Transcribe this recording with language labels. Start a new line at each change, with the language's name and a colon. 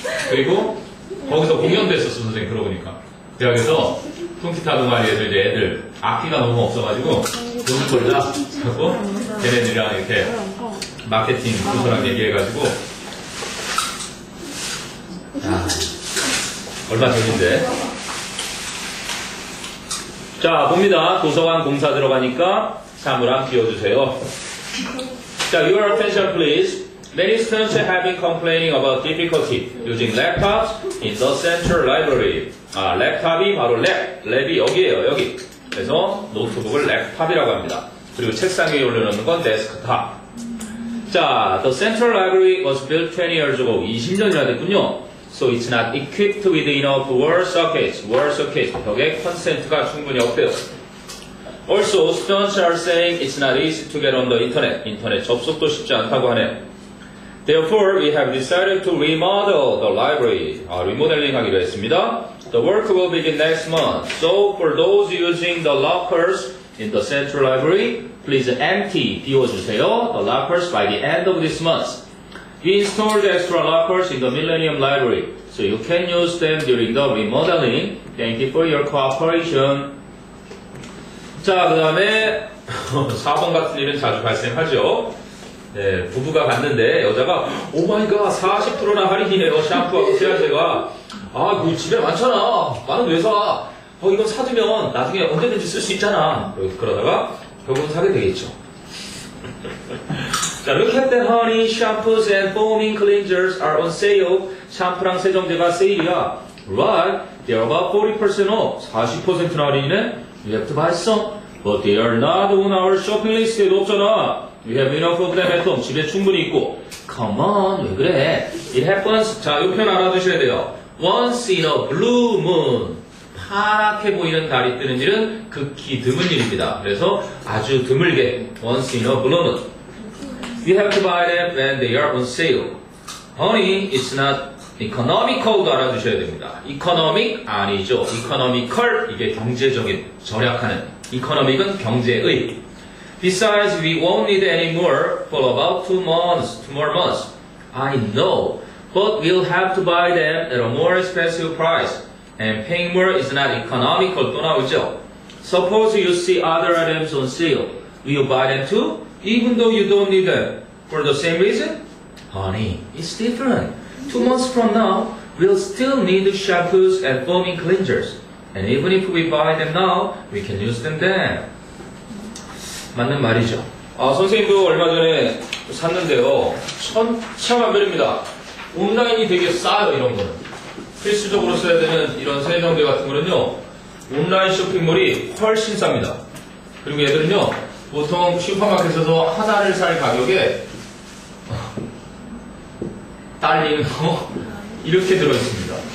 Korean: 그리고 거기서 공연도 했었어 선생님. 그러고 보니까 대학에서 통기타 동아리에서 이제 애들 악기가 너무 없어가지고 돈을 벌자 하고 걔네들이랑 이렇게 마케팅 부서랑 얘기해가지고 아, 얼마 전인데. 자, 봅니다. 도서관 공사 들어가니까 사물함 비워주세요.
English: 자, your attention please. Many students have been complaining about difficulty using laptops in the central library.
Korean: 아, 랩탑이 바로 랩, 랩이 여기에요, 여기. 그래서 노트북을 랩탑이라고 합니다. 그리고 책상 위에 올려놓는 건 데스크탑.
English: 자, the central library was built 20 years ago.
Korean: 20년이나 됐군요.
English: So it's not equipped with enough wall sockets. Wall sockets.
Korean: 벽에 콘센트가 충분히 없대요.
English: Also, students are saying it's not easy to get on the internet.
Korean: 인터넷 접속도 쉽지 않다고 하네요.
English: Therefore, we have decided to remodel the library.
Korean: 아, 리모델링 하기로 했습니다.
English: The work will begin next month. So, for those using the lockers in the central library, please empty,
Korean: 비워주세요.
English: The lockers by the end of this month. We installed extra lockers in the Millennium Library, so you can use them during the remodeling. Thank you for your cooperation.
Korean: 자, 그 다음에 4번 같은 일은 자주 발생하죠. 네, 부부가 갔는데 여자가 오마이갓 40%나 할인이네요. 샴푸하고 세안제가. 아, 이거 집에 많잖아. 나는 왜 사? 어, 이건 사두면 나중에 언제든지 쓸 수 있잖아. 그러다가 결국은 사게 되겠죠.
English: So look at that, honey. Shampoos and foaming cleansers are on sale.
Korean: 샴푸랑 세정제가 세일이야.
English: Right? They are about 40% off.
Korean: 40%나 할인이네.
English: You have to buy some. But they are not on our shopping list
Korean: 에도 없잖아.
English: We have enough of them at home.
Korean: 집에 충분히 있고.
English: Come on,
Korean: 왜 그래?
English: It happens.
Korean: 자, 이 표현 알아두셔야 돼요.
English: Once in a blue moon.
Korean: 파랗게 보이는 달이 뜨는 일은 극히 드문 일입니다. 그래서 아주 드물게.
English: Once in a blue moon. You have to buy them when they are on sale. Honey, it's not economical
Korean: 도 알아주셔야 됩니다. Economic 아니죠. Economical, 이게 경제적인, 절약하는. Economic은 경제의.
English: Besides, we won't need any more for about two more months. I know, but we'll have to buy them at a more expensive price. And paying more is not economical,
Korean: 또 나오죠.
English: Suppose you see other items on sale. Will you buy them too? Even though you don't need them. For the same reason? Honey, it's different. 2 months from now, we'll still need shampoos and foaming cleansers. And even if we buy them now, we can use them then.
Korean: 맞는 말이죠. 아, 선생님도 얼마 전에 샀는데요. 천차만별입니다. 온라인이 되게 싸요, 이런 거는. 필수적으로 써야 되는 이런 세정제 같은 거는요. 온라인 쇼핑몰이 훨씬 쌉니다. 그리고 얘들은요. 보통 슈퍼마켓에서 하나를 살 가격에 딸리는 이렇게 들어있습니다.